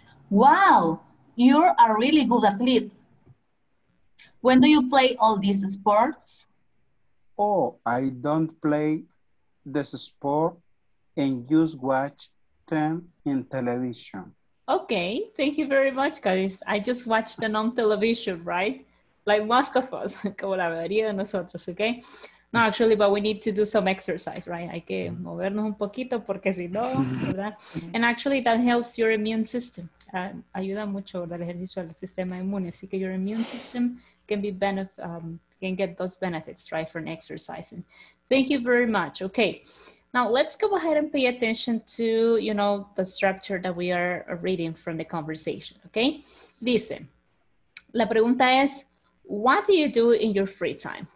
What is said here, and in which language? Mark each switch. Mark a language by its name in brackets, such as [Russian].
[English] Wow, you're a really good athlete. When do you play all these sports? Oh, I don't play this sport and just watch them in television. Okay, thank you very much, guys. I just watched them on television, right? Like most of us, [Spanish] como la mayoría de nosotros, [English] okay? No, actually, but we need to do some exercise, right? [Spanish] Hay que movernos un poquito porque si no, ¿verdad? [English] And actually, that helps your immune system. [Spanish] Ayuda mucho, ¿verdad? El ejercicio al sistema inmune. Así que [English] your immune system can be can get those benefits, right, from exercising. Thank you very much. Okay, now let's go ahead and pay attention to, you know, the structure that we are reading from the conversation, okay? [Spanish] Dice, la pregunta es, [English] what do you do in your free time?